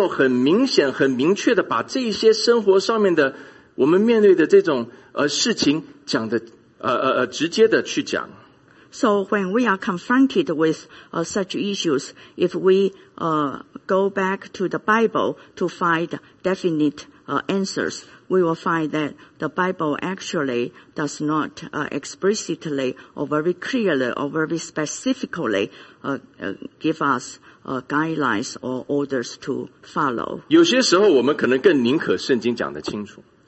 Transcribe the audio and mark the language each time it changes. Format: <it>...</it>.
<zh>那这些事情，事实上，你如果说我要去圣经里面找答案，圣经就是没有很明显、很明确的把这些生活上面的。我们面对的这种事情讲的直接的去讲。So</zh> <en>when we are confronted with such issues, if we go back to the Bible to find definite answers, we will find that the Bible actually does not explicitly or very clearly or very specifically give us guidelines or orders to follow.</en> <zh>有些时候我们可能更宁可圣经讲得清楚。</zh>